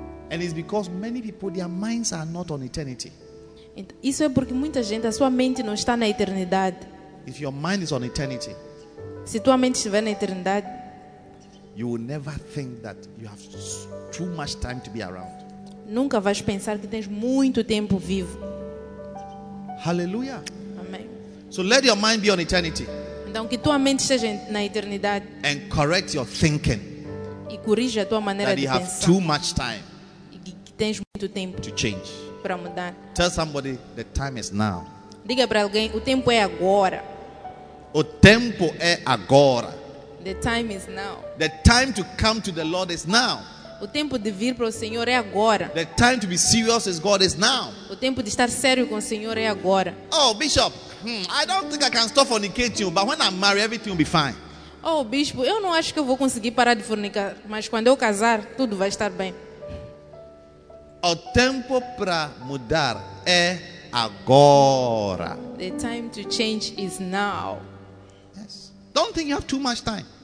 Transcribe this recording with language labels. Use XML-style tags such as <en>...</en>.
<en>And it's because many people, their minds are not on eternity.</en> <pt>Isso é porque muita gente, a sua mente não está na eternidade.</pt> <en>If your mind is on eternity,</en> <pt>se tua mente estiver na eternidade,</pt> <en>you will never think that you have too much time to be around.</en> <pt>Nunca vais pensar que tens muito tempo vivo.</pt> <en>Hallelujah.</en> <pt>Amém.</pt> <en>So let your mind be on eternity.</en> <pt>Então que tua mente esteja na eternidade.</pt> <en>And correct your thinking.</en> <pt>E corrija a tua maneira de</pt> <en>That you have too much time.</en> <pt>Que tens muito tempo.</pt> <en>To change.</en> <pt>Para mudar.</pt> <en>Tell somebody the time is now.</en> <pt>Diga para alguém, o tempo é agora. O tempo é agora.</pt> <en>The time is now. The time to come to the Lord is now.</en> <pt>O tempo de vir para o Senhor é agora.</pt> <en>The time to be serious with God is now.</en> <pt>O tempo de estar sério com o Senhor é agora.</pt> <en>Oh, Bishop, I don't think I can stop fornicating you, but when I marry, everything will be fine.</en> <pt>Oh, Bispo, eu não acho que eu vou conseguir parar de fornicar, mas quando eu casar, tudo vai estar bem. O tempo para mudar é agora.</pt> <en>The time to change is now. Yes. Don't think you have too much time.</en>